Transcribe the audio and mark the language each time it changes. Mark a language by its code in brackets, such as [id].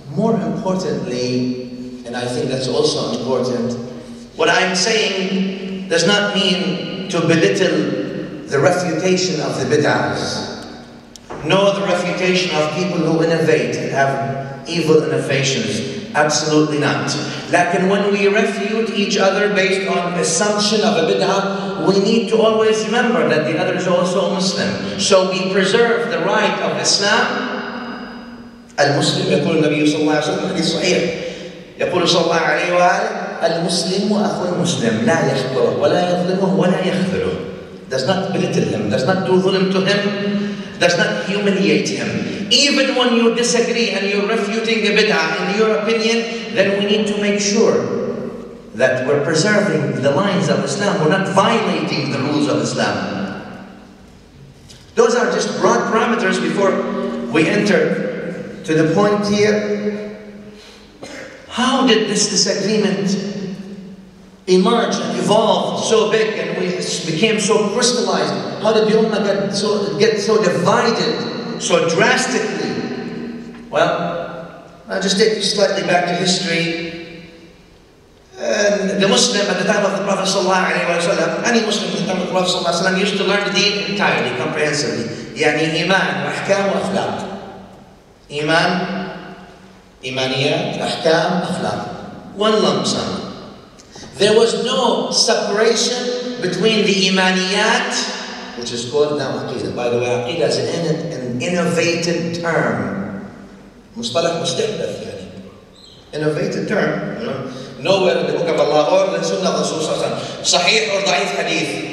[en] More importantly, and I think that's also important, what I'm saying does not mean to belittle the refutation of the bid'ahs, nor the refutation of people who innovate and have evil innovations. Absolutely not. Lakin when we refute each other based on assumption of a bid'ah, we need to always remember that the other is also Muslim. So we preserve the right of Islam. [ar] Al-Muslim, يقول النبي صلى الله عليه وسلم حديث صحيح. يقول صلى الله عليه وآله المسلم أخو المسلم لا يخبره ولا يظلمه ولا يخذله. [en] Does not belittle him. Does not do ظلم to him. Does not humiliate him. Even when you disagree and you're refuting a bid'ah in your opinion, then we need to make sure that we're preserving the lines of Islam, we're not violating the rules of Islam. Those are just broad parameters before we enter to the point here. How did this disagreement emerge and evolve so big and we became so crystallized How did the Ummah get so divided so drastically? Well, I'll just take you slightly back to history. And the Muslim at the time of the Prophet sallallahu alaihi wasallam, any Muslim at the time of the Prophet sallallahu alaihi wasallam, used to learn the deen entirely, comprehensively. [ar] يعني إيمان أحكام وأخلاق. إيمان إيمانيات أحكام أخلاق. [en] One lump sum. There was no separation between the إيمانيات, which is called now عقيدة. By the way, عقيدة is an innovative term. [ar] مصطلح مستحدث يعني. [en] Innovative term. Nowhere in the Book of Allah or the Sunnah of the Rasul [ar] صلى الله عليه وسلم صحيح [en] or [ar] ضعيف حديث.